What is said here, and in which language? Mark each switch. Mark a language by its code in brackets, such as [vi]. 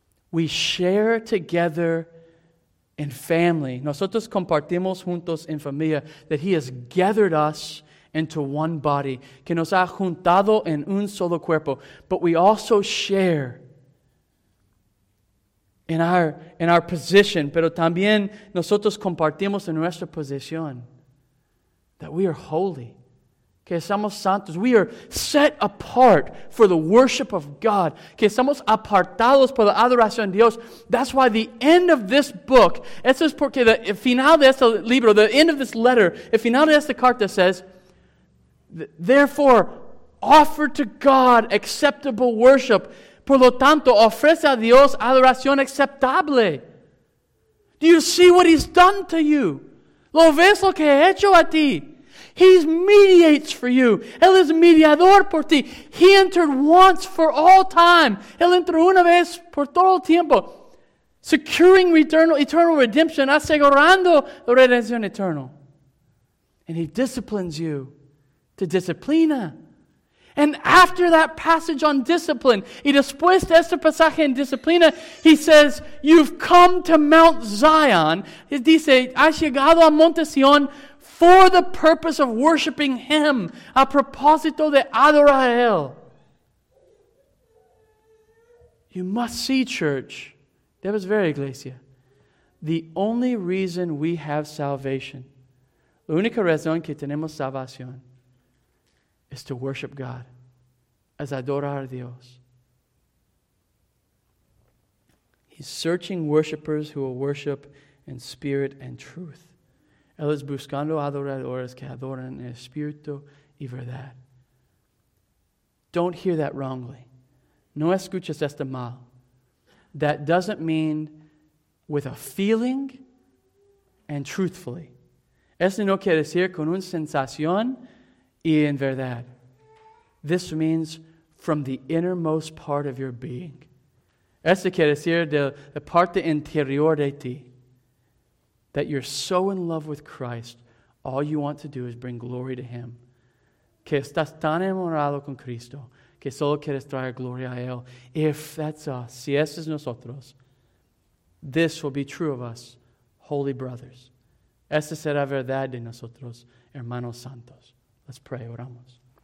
[en] We share together in family, [es] nosotros compartimos juntos en familia, [en] that He has gathered us into one body, [es] que nos ha juntado en un solo cuerpo. [en] But we also share in our position, [es] pero también nosotros compartimos en nuestra posición, [en] that we are holy, [es] que somos santos. [en] We are set apart for the worship of God. [es] Que somos apartados por la adoración de Dios. [en] That's why the end of this book, [es] esto es porque el final de este libro, [en] the end of this letter, [es] el final de esta carta [en] says, therefore, offer to God acceptable worship. [es] Por lo tanto, ofrece a Dios adoración aceptable. [en] Do you see what He's done to you? [es] ¿Lo ves lo que ha hecho a ti? [en] He mediates for you. [es] Él es mediador por ti. [en] He entered once for all time. [es] Él entró una vez por todo el tiempo. [en] Securing eternal redemption. [es] Asegurando la redención eterna. [en] And He disciplines you to disciplina. And after that passage on discipline, [es] y después de este pasaje en disciplina, [en] He says, you've come to Mount Zion. [es] He dice, has llegado a Monte Sion [en] for the purpose of worshiping Him, [es] a propósito de adorar a Él. [en] You must see, church, [es] debes ver, iglesia, [en] the only reason we have salvation, [es] la única razón que tenemos salvación, [en] is to worship God, as [es] adorar a Dios. [en] He's searching worshipers who will worship in spirit and truth. [es] Él es buscando adoradores que adoran en espíritu y verdad. [en] Don't hear that wrongly. [es] No escuches esto mal. [en] That doesn't mean with a feeling and truthfully. [es] Esto no quiere decir con una sensación y en verdad. [en] This means from the innermost part of your being. [es] Esto quiere decir de la parte interior de ti. [en] That you're so in love with Christ, all you want to do is bring glory to Him. [es] Que estás tan enamorado con Cristo, que solo quieres traer gloria a Él. [en] If that's us, [es] si eso es nosotros, [en] this will be true of us, holy brothers. [es] Esta será verdad de nosotros, hermanos santos. [en] Let's pray, [es] oramos.